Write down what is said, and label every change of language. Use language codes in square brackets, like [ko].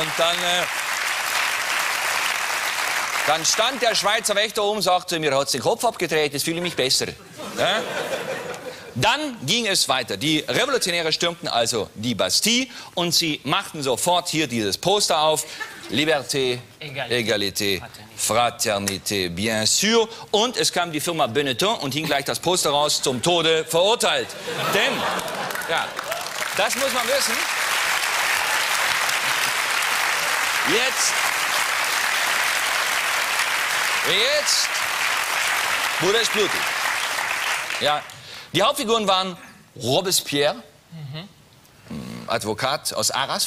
[de] Und dann stand der Schweizer Wächter oben und sagte, mir hat es den Kopf abgedreht, jetzt fühle ich mich besser. Ja. Dann ging es weiter. Die Revolutionäre stürmten also die Bastille und sie machten sofort hier dieses Poster auf. [fr] Liberté, Égalité, Fraternité, bien sûr. [de] Und es kam die Firma Benetton und hing gleich das Poster raus, zum Tode verurteilt. Denn, ja, das muss man wissen. Jetzt wurde es blutig. Ja, die Hauptfiguren waren Robespierre, Advokat aus Arras.